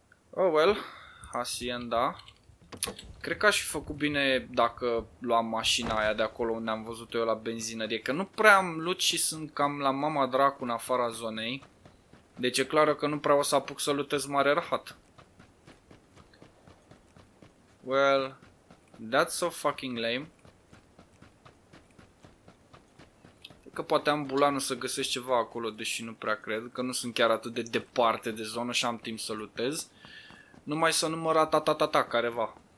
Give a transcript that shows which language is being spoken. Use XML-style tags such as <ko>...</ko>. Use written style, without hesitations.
<en>Oh well,</en> <ro>hacienda. Cred că aș fi făcut bine dacă luam mașina aia de acolo unde am văzut eu la benzinărie. Că nu prea am loot și sunt cam la mama dracu în afara zonei. Deci e clar că nu prea o să apuc să lutez mare rahat.</ro> <en>Well, that's so fucking lame.</en> <ro>Că poate am bulanul să găsesc ceva acolo, deși nu prea cred, că nu sunt chiar atât de departe de zonă și am timp să lutez. Numai să nu mă ratatatata careva.</ro>